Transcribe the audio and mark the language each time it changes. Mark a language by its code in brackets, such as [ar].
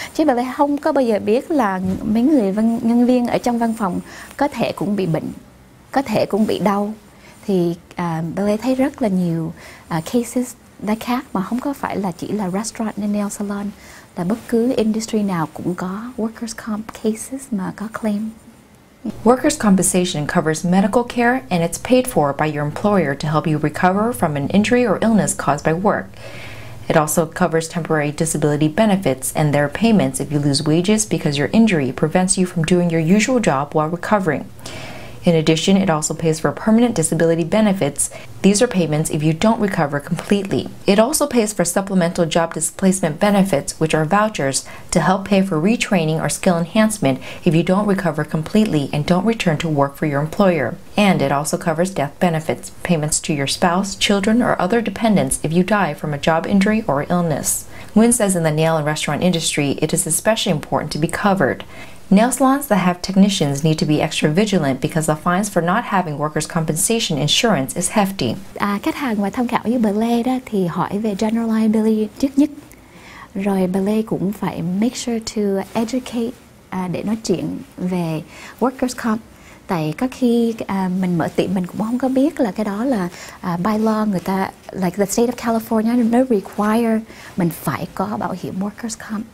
[vi] Chứ Belle không có bao giờ biết là mấy người nhân viên ở trong văn phòng có thể cũng bị bệnh, có thể cũng bị đau. Thì Belle thấy rất là nhiều cases đã khác, mà không có phải là chỉ là [en] restaurant and nail salon, [vi] là bất cứ industry nào cũng có workers comp cases mà có claim. [en] Workers' compensation covers medical care and it's paid for by your employer to help you recover from an injury or illness caused by work. It also covers temporary disability benefits and their payments if you lose wages because your injury prevents you from doing your usual job while recovering. In addition, it also pays for permanent disability benefits. These are payments if you don't recover completely. It also pays for supplemental job displacement benefits, which are vouchers, to help pay for retraining or skill enhancement if you don't recover completely and don't return to work for your employer. And it also covers death benefits, payments to your spouse, children, or other dependents if you die from a job injury or illness. Nguyen says in the nail and restaurant industry, it is especially important to be covered. Nail salons that have technicians need to be extra vigilant because the fines for not having workers' compensation insurance is hefty. [vi] À, khách hàng mà tham khảo như Belay đó thì hỏi về general liability trước nhất. Rồi Belay cũng phải [en] make sure to educate [vi] để nói chuyện về workers' comp. Tại có khi mình mở tiệm mình cũng không có biết là cái đó là [en] by law [vi] người ta, [en] like the state of California, [vi] nó require mình phải có bảo hiểm workers' comp.